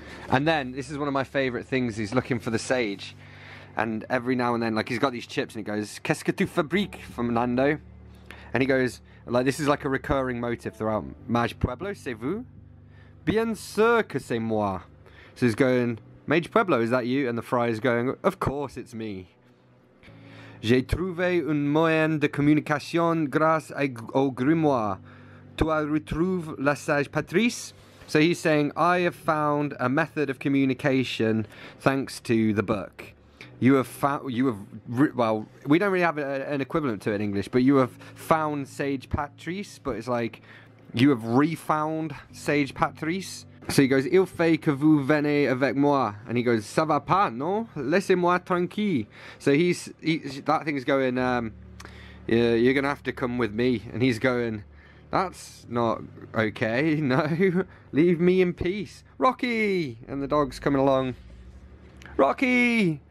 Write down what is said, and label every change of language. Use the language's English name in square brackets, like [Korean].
[English] And then, this is one of my favourite things, he's looking for the sage. And every now and then, like, he's got these chips and he goes, [French] qu'est-ce que tu fabriques, Fernando? [English] And he goes, like, this is like a recurring motive throughout. [French] Maj Pueblo, c'est vous? Bien sûr que c'est moi. [English] So he's going, Maj Pueblo, is that you? And the friar's going, of course it's me. [French] J'ai trouvé un moyen de communication grâce au grimoire. Tu as retrouvé la sage Patrice? [English] So he's saying, I have found a method of communication thanks to the book. We don't really have an equivalent to it in English, but you have found Sage Patrice, but it's like, you have refound Sage Patrice. So he goes, [French] il fait que vous venez avec moi. [English] And he goes, [French] ça va pas, non? Laissez-moi tranquille. [English] So that thing's going, you're going to have to come with me. And he's going, that's not okay, no. Leave me in peace. Rocky! And the dog's coming along. Rocky!